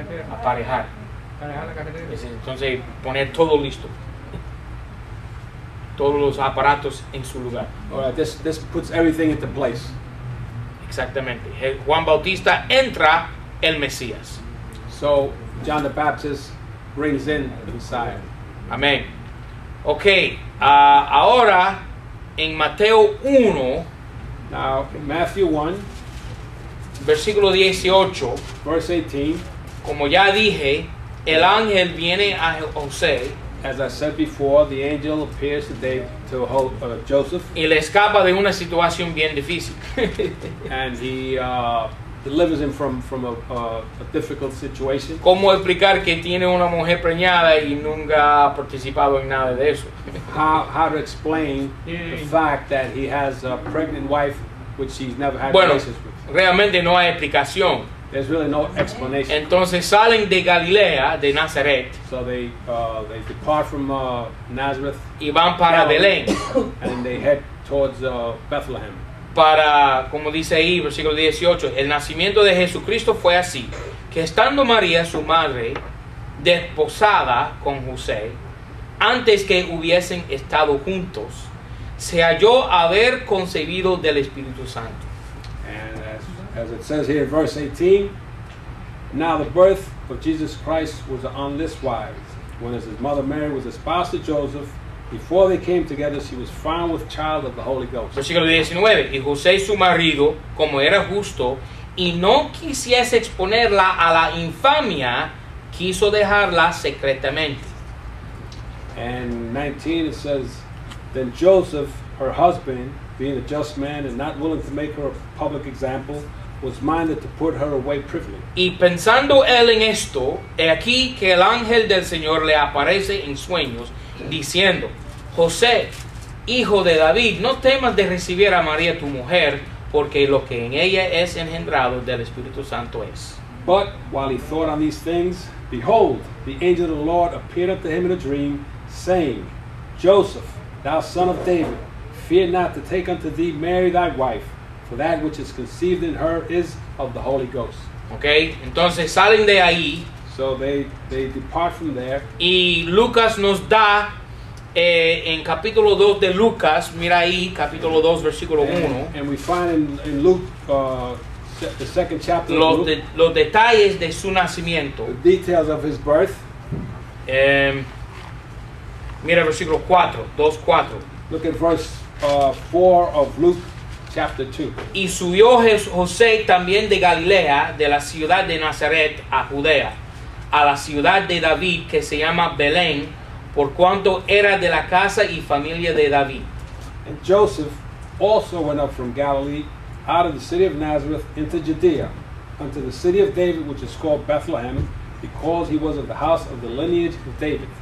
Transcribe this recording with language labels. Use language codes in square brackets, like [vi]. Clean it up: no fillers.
[es] Aparejar. Entonces poner todo listo, todos los aparatos en su lugar. [en] All right, this puts everything into place. [es] Exactamente. Juan Bautista entra el Mesías. [en] So John the Baptist brings in the Messiah. [es] Amén. Okay. Ahora en Mateo 1. [en] Now in Matthew 1. [es] Versículo 18. [en] Verse 18. [es] Como ya dije, el ángel viene a José. [en] as I said before, the angel appears to David, to hold, Joseph. [es] Y le escapa de una situación bien difícil. [en] And he delivers him from a difficult situation. [es] ¿Cómo explicar que tiene una mujer preñada y nunca ha participado en nada de eso? [en] How to explain the fact that he has a pregnant wife which he's never had [es] bueno, [en] relations with? [es] Realmente no hay explicación. [en] There's really no explanation. [es] Entonces salen de Galilea, de Nazaret. [en] So they depart from Nazareth. [es] Y van para Galilee, Belén. [en] And they head towards Bethlehem. [es] Para, como dice ahí, versículo 18, el nacimiento de Jesucristo fue así, que estando María, su madre, desposada con José, antes que hubiesen estado juntos, se halló haber concebido del Espíritu Santo. [en] And as it says here in verse 18, now the birth of Jesus Christ was on this wise, when his mother Mary was espoused to Joseph, before they came together, she was found with child of the Holy Ghost. [es] Versículo 19. Y José su marido, como era justo, y no quisiese exponerla a la infamia, quiso dejarla secretamente. [en] And 19 it says, then Joseph, her husband, being a just man and not willing to make her a public example, was minded to put her away privily. [es] Y pensando él en esto, he aquí que el ángel del Señor le aparece en sueños, diciendo, José, hijo de David, no temas de recibir a María tu mujer, porque lo que en ella es engendrado del Espíritu Santo es. [en] But while he thought on these things, behold, the angel of the Lord appeared unto him in a dream, saying, Joseph, thou son of David, fear not to take unto thee Mary thy wife, for that which is conceived in her is of the Holy Ghost. [es] Okay, entonces salen de ahí. [en] So they depart from there. [es] Y Lucas nos da en capítulo 2 de Lucas, mira ahí, capítulo 2, versículo 1. [en] And we find in Luke, the second chapter [es] los [en] of Luke, [es] los detalles de su nacimiento. [en] The details of his birth. [es] Mira versículo 4. [en] Look at verse 4 of Luke, chapter 2. [es] Y subió José también de Galilea, de la ciudad de Nazaret, a Judea, a la ciudad de David, que se llama Belén, por cuanto era de la casa y familia de David. [en] And Joseph also went up from Galilee, out of the city of Nazareth, into Judea, unto the city of David, which is called Bethlehem, because he was of the house of the lineage of David.